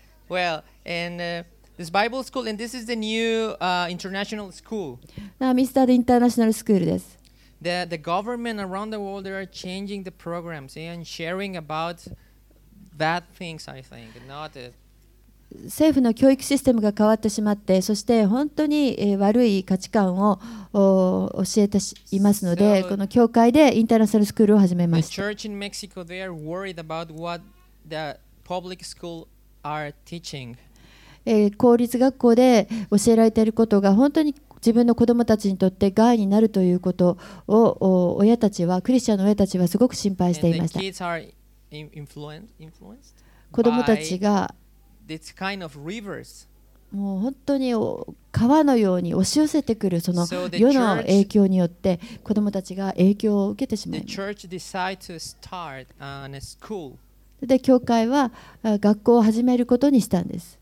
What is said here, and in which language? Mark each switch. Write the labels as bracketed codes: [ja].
[en] Well, and this Bible school, and this is the new international school. Mr. International School です。 The government around the world, they are changing the programs and sharing about bad things, I think, not it. [ja] 政府の教育システムが変わってしまって、そして本当に悪い価値観を教えていますので、この教会でインターナショナルスクールを始めました。 [en] The church in Mexico, they are worried about what the public school are teaching. [ja] 公立学校で教えられていることが本当に自分の子どもたちにとって害になるということを親たちは、クリスチャンの親たちはすごく心配していました。 [en] And the kids are influenced. [ja] 子どもたちが [en] This kind of rivers. [ja] もう本当に川のように押し寄せてくるその世の影響によって子どもたちが影響を受けてしまいます。 [en] The church decided to start on a school. [ja] で、教会は学校を始めることにしたんです。